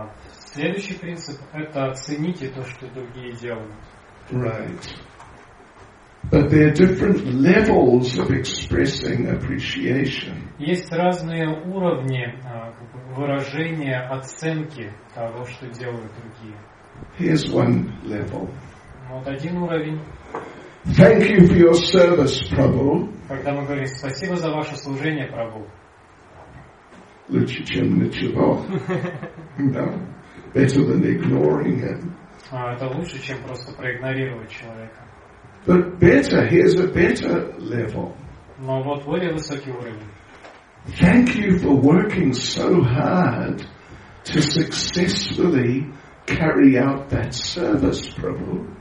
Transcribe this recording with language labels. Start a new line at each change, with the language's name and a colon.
Russian: Следующий принцип – это оцените то, что другие делают.
English: Right. But there are different levels of expressing appreciation.
Russian: Есть разные уровни выражения оценки того, что делают другие.
English: Here's one level.
Russian: Вот один уровень.
English: Thank you for your service, Prabhu.
Russian: Когда мы говорим спасибо за ваше служение, Прабху. Лучше, чем ничего.
English: No. Better than ignoring him.
Russian: А, это лучше, чем просто проигнорировать человека.
English: But better, here's a better level.
Russian: Но вот более высокий уровень.
English: Thank you for working so hard to successfully carry out that service, Prabhu.